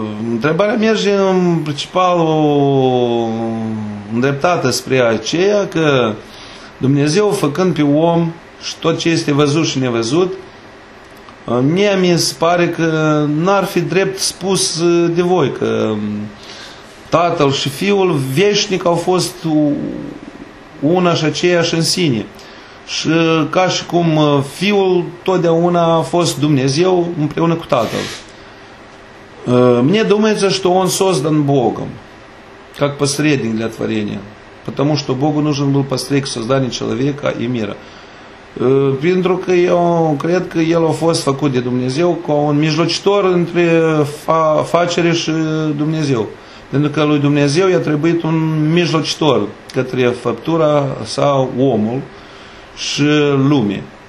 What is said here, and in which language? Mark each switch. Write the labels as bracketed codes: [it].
[ro] Întrebarea merge în principalul îndreptată spre aceea că Dumnezeu făcând pe om și tot ce este văzut și nevăzut, mie mi se pare că n-ar fi drept spus de voi că Tatăl și Fiul veșnic au fost una și aceeași în sine. Și ca și cum Fiul totdeauna a fost Dumnezeu împreună cu Tatăl. [ru] Мне думается, что он создан Богом, как посредник для творения, потому что Богу нужен был посредник в создании человека и мира. [ro] Pentru că eu cred că el a fost făcut de Dumnezeu ca un mijlocitor între facere și Dumnezeu. Pentru că lui Dumnezeu i-a trebuit un mijlocitor către făptura sau omul și lume.